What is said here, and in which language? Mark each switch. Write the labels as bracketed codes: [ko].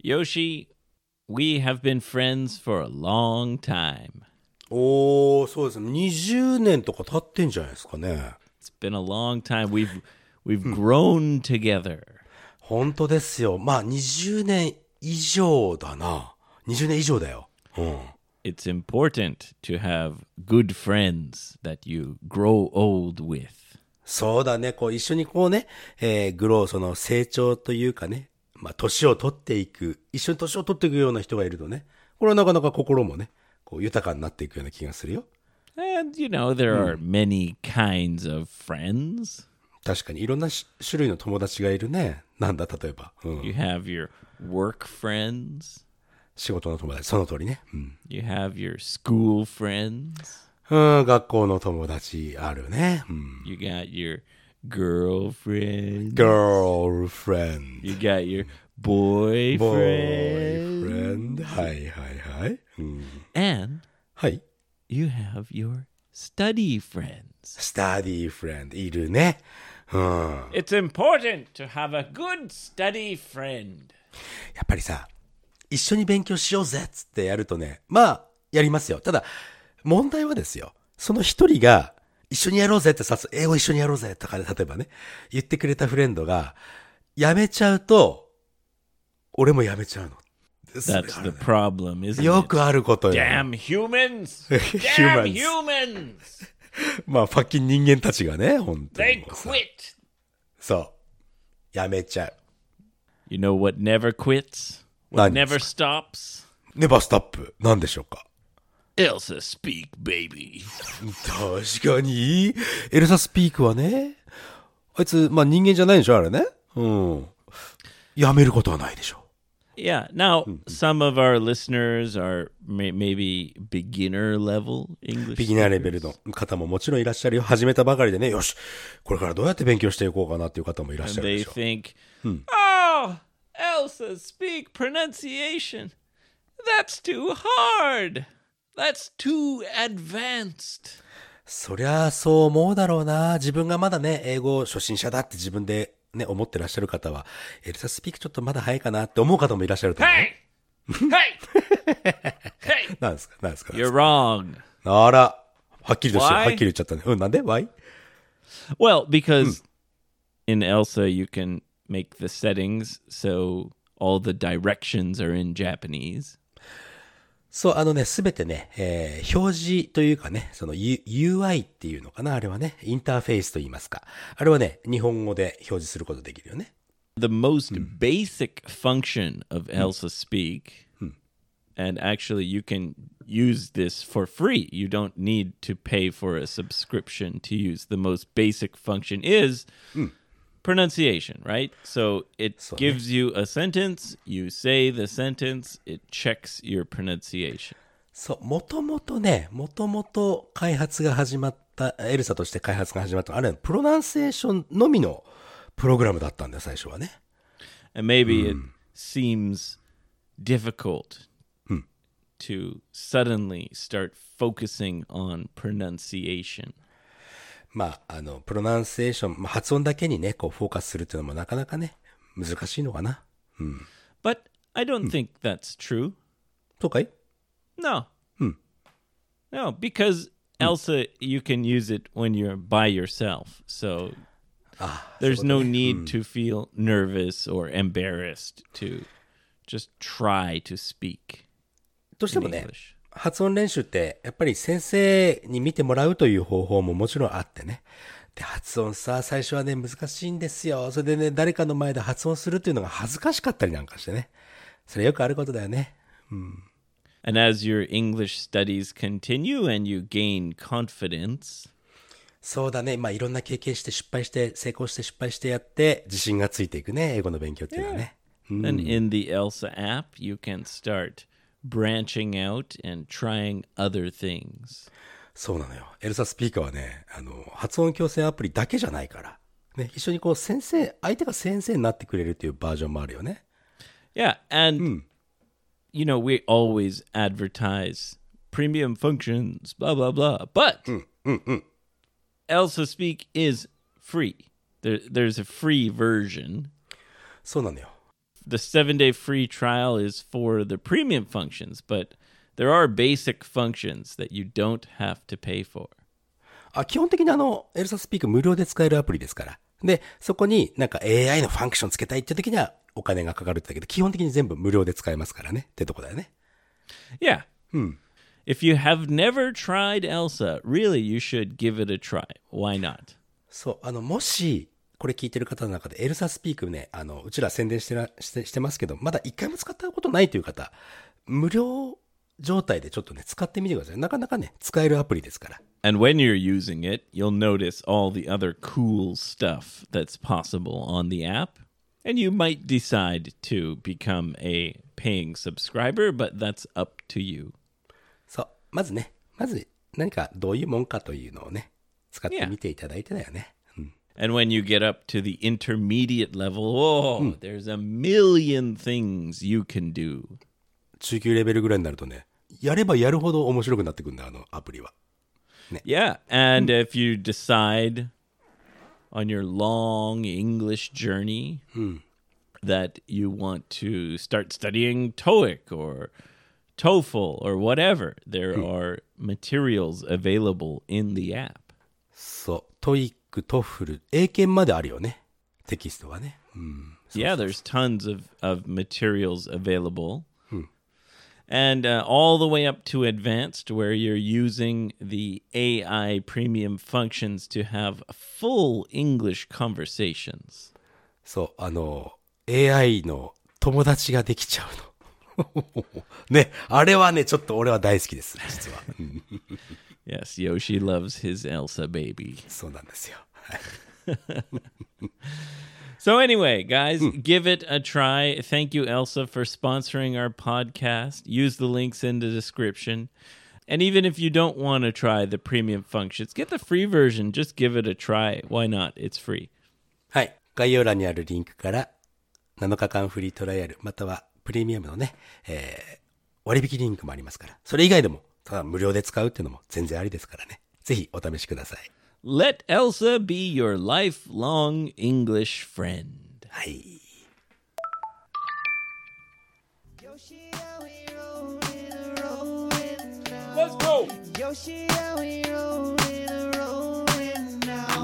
[en] Yoshi, we have been friends for a long time. [ja] Oh, そうですね。 20年とか経ってんじゃないですかね。 [en] It's been a long time. We've grown together. [ja] 本当ですよ。まあ、20年以上だな。20年以上だよ。うん。 [en] It's important to have good friends that you grow old with. [ja] そうだね。こう、一緒にこうね、grow、その成長というかね。まあ、年を取っていく、一緒に年を取っていくような人がいるとね、これはなかなか心もね、こう豊かになっていくような気がするよ。 [en] And you know, there are many kinds of friends. [ja] 確かに、いろんな種類の友達がいるね。なんだ、例えば。 [en] You have your work friends. [ja] 仕事の友達、その通りね。 [en] You have your school friends. [ja] 学校の友達あるね。 [en] You got your... Girlfriend. Girlfriend. You got your boyfriend. [ja] Boyfriend. はいはいはい。 [en] And、 [ja] はい、 [en] you have your study friends. Study friend. [ja] いるね。 [en] It's important to have a good study friend. [ja] やっぱりさ、一緒に勉強しようぜっつってやるとね、まあ、やりますよ。ただ、問題はですよ。その一人が、一緒にやろうぜってさ、英語一緒にやろうぜとかで、例えばね、言ってくれたフレンドが、やめちゃうと、俺もやめちゃうの。 [en] That's the problem, isn't it? [ja] よくあることよ。 [en] Damn humans! Damn humans! [ja] まあ、ファッキン人間たちがね、本当に。 [en] They quit! [ja] そう。やめちゃう。 [en] You know what never quits? What never stops? Never stop. [ja] 何でしょうか? [en] Elsa speak, baby. [ja] 確かに。 Elsa speak はね。あいつ、まあ、人間じゃないでしょ、あれね。やめることはないでしょ。 [en] Yeah, now, some of our listeners are maybe beginner level English. [ja] Beginner レベルの方ももちろんいらっしゃるよ。始めたばかりでね。よし、これからどうやって勉強していこうかなっていう方もいらっしゃるでしょ。 [en] And they think, oh, Elsa speak pronunciation. That's too hard. That's too advanced. [ja] そりゃそう思うだろうな。自分がまだね、英語初心者だって自分でね、思ってらっしゃる方は、エルサスピークちょっとまだ早いかなって思う方もいらっしゃると思う。 [en] Hey! Hey! Hey! [ja] なんですか、なんですか。 [en] You're wrong. [ja] あら、はっきりとして、はっきり言っちゃったね。うん、なんで ? [en] Why? Well, because、in Elsa, you can make the settings so all the directions are in Japanese. [ja] そう、あのね、すべてね、表示というかね、その UI っていうのかな、あれはね、インターフェースと言いますか。あれはね、日本語で表示することできるよね。 [en] The most basic function of Elsa Speak,、and actually you can use this for free. You don't need to pay for a subscription to use the most basic function is pronunciation, right? So it gives you a sentence, you say the sentence, it checks your pronunciation. [ja] そう、もともとね、もともと開発が始まった、エルサとして開発が始まった、あれ、プロナンセーションのみのプログラムだったんだよ、最初はね。 [en] And maybe it seems difficult to suddenly start focusing on pronunciation. [ja] まあ、あのプロナンセーション、発音だけにね、こうフォーカスするっていうのもなかなかね、難しいのかな。 [en] But I don't think that's true. [ja] そうかい? [en] No. No, because Elsa, you can use it when you're by yourself. So there's no need to feel nervous or embarrassed to just try to speak in English. [ja] 発音練習ってやっぱり先生に見てもらうという方法ももちろんあってね。で発音さ最初はね難しいんですよ。それでね誰かの前で発音するっていうのが恥ずかしかったりなんかしてね。それよくあることだよね。 [en] And as your English studies continue and you gain confidence, [ja] そうだね。まあいろんな経験して失敗して成功して失敗してやって自信がついていくね。英語の勉強っていうのはね。 [en] And in the Elsa app, you can start. Branching out and trying other things. [ja] そうなのよ。エルサスピーカーはね、あの発音矯正アプリだけじゃないから、ね、一緒にこう先生、相手が先生になってくれるっていうバージョンもあるよね。 [en] Yeah, and you know we always advertise premium functions, blah blah blah. But Elsa Speak is free. There's a free version. [ja] そうなのよ。 [en] the 7-day free trial is for the premium functions, but there are basic functions that you don't have to pay for. [ja] あ、基本的にあの、エルサスピーク無料で使えるアプリですから。で、そこになんか AI のファンクションつけたいって時にはお金がかかるってだけど、基本的に全部無料で使えますからね。ってとこだよね。 [en] Yeah. [ja] うん。 [en] If you have never tried Elsa, really you should give it a try. Why not? [ja] そう、あの、もし、これ聞いてる方の中でエルサスピークね、あの、うちら宣伝してますけど、まだ一回も使ったことないという方、無料状態でちょっとね、使ってみてください。なかなかね、使えるアプリですから。 [en] And when you're using it, you'll notice all the other cool stuff that's possible on the app. And you might decide to become a paying subscriber, but that's up to you. [ja] そう、まずね、まず何かどういうもんかというのをね、使ってみていただいてだよね。 [en] Yeah. And when you get up to the intermediate level, oh,、うん、there's a million things you can do. [ja] 中級レベルぐらいになるとね、やればやるほど面白くなってくるんだ、あのアプリは。ね、 [en] yeah, and、うん、if you decide on your long English journey、 [ja] うん、 [en] that you want to start studying TOEIC or TOEFL or whatever, there、うん、are materials available in the app. [ja] そう、TOEIC. トフル英検まであるよね。テキストはね。うん、 [en] yeah, there's tons of materials available.、 [ja] うん、 [en] And、all the way up to advanced, where you're using the AI premium functions to have full English conversations. [ja] そう、あの、AI の友達ができちゃうの。ね、あれはね、ちょっと俺は大好きです、実は。 [en] yes, Yoshi loves his Elsa baby. [ja] そうなんですよ。 [en] So anyway, guys, give it a try. Thank you, Elsa, for sponsoring our podcast. Use the links in the description. And even if you don't want to try the premium functions, get the free version. Just give it a try. Why not? It's free. [ja] はい、概要欄にあるリンクから7日間フリートライアルまたはプレミアムのね、割引リンクもありますから。それ以外でもただ無料で使うっていうのも全然ありですからね。ぜひお試しください。 [en] Let Elsa be your lifelong English friend. [ja] はい。 [en] Let's go! Yoshi, are we rolling, rolling now?